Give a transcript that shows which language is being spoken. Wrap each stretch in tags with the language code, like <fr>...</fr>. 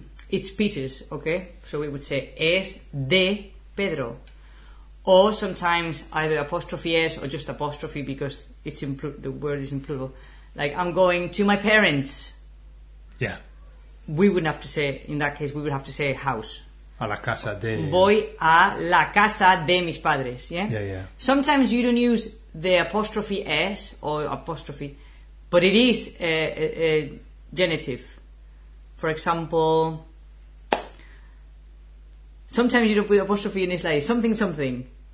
<en>It's Peter's, okay? So we would say</en> <es>es de Pedro.</es> <en>Or sometimes either apostrophe S or just apostrophe, because it's the word is in plural. Like, I'm going to my parents. Yeah. We wouldn't have to say, in that case, we would have to say house.</en> <es>A la casa de. Voy a la casa de mis padres, yeah?</es> <en>Yeah, yeah. Sometimes you don't use the apostrophe S or apostrophe, but it is a genitive. For example, sometimes you don't put apostrophe and it's like something, something.</en>